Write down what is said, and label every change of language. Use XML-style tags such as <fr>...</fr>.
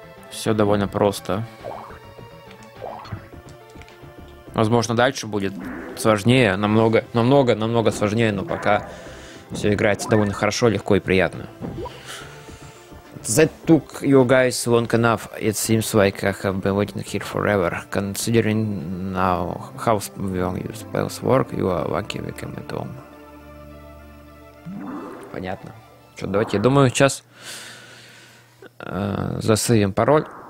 <ru>Все довольно просто. Возможно, дальше будет сложнее, намного сложнее, но пока все играется довольно хорошо, легко и приятно.</ru> <en>That took you guys long enough. It seems like I have been waiting here forever. Considering now how long your spells work, you are lucky we came at home.</en> <ru>Понятно. Что, давайте, я думаю, сейчас засейвим пароль.</ru>